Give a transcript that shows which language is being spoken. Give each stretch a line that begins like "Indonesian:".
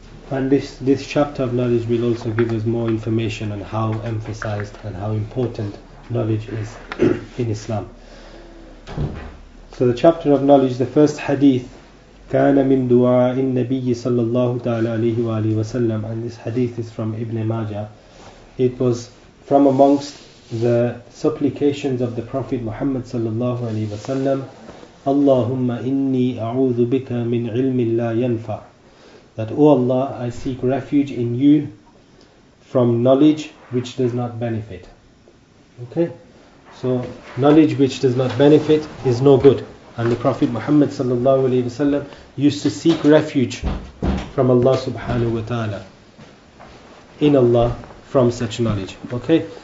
English: And this chapter of knowledge will also give us more information on how emphasized and how important knowledge is in Islam. So the chapter of knowledge, the first hadith,
Arabic: كان من دعاء النبي صلى الله عليه وآله وسلم,
English: and this hadith is from Ibn Majah. It was from amongst the supplications of the Prophet Muhammad
Arabic: صلى الله عليه وسلم, اللهم إني أعوذ بك من علم لا ينفع.
English: That, O Allah, I seek refuge in you from knowledge which does not benefit. Okay? So, knowledge which does not benefit is no good. And the Prophet Muhammad sallallahu alayhi wa sallam used to seek refuge from Allah subhanahu wa ta'ala, in Allah, from such knowledge. Okay?